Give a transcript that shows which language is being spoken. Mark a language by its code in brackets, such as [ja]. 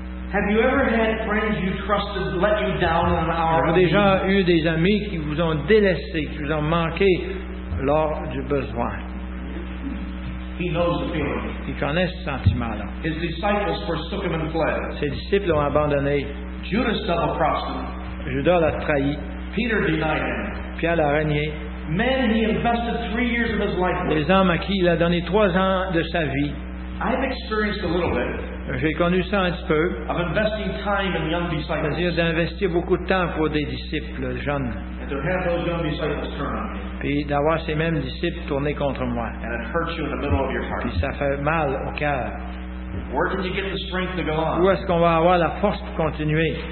[en] Have you ever had friends you trusted let you down in an hour? [fr] Avez-vous déjà eu des amis qui vous ont délaissé, qui vous ont manqué lors du besoin? [en] He knows the feeling. [fr] Il connaît ce sentiment-là. [en] His disciples forsook him and fled. [fr] Ses disciples l'ont abandonné. [en] Judas double crossed him. [fr] Judas l'a trahi. [en] Peter denied him. [fr] Pierre l'a renié. [en] Men he invested 3 years of his life with. [fr] Les hommes à qui il a donné 3 ans de sa vie. [en] I've experienced a little bit. [fr] J'ai connu ça un petit peu. [en] Of investing time in young disciples. [fr] C'est-à-dire d'investir beaucoup de temps pour des disciples jeunes. [en] And to have those young disciples turn on me. [fr] Puis d'avoir ces mêmes disciples tourner contre moi. [en] And it hurts you in the middle of your heart. [fr] Puis ça fait mal au cœur. [en] Where did you get the strength to go on? [fr] Où est-ce qu'on va avoir la force pour continuer?